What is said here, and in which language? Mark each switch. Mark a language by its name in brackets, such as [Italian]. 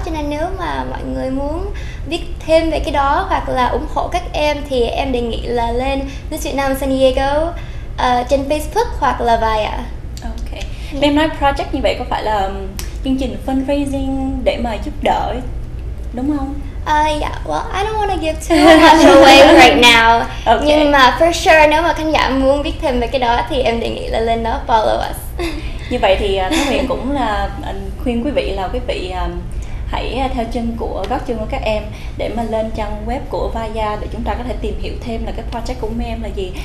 [Vietnamese] Cho nên nếu mà mọi người muốn biết thêm về cái đó hoặc là ủng hộ các em thì em đề nghị là lên Miss Việt Nam San Diego trên Facebook hoặc là VAYA. [English] Ok. Yeah. [Vietnamese] Em nói project như vậy có phải là chương trình fundraising để mà giúp đỡ đúng không? [English] Yeah, well, I don't want to give too much away right now. Okay. [Vietnamese] Nhưng mà [English] for sure, [Vietnamese] nếu mà khán giả muốn biết thêm về cái đó thì em đề nghị là lên đó [English] follow us. [Vietnamese] Như vậy thì Thái Huyền cũng là khuyên quý vị là quý vị hãy theo chân của góc chân của các em để mà lên trang web của VAYA để chúng ta có thể tìm hiểu thêm là cái project của mấy em là gì.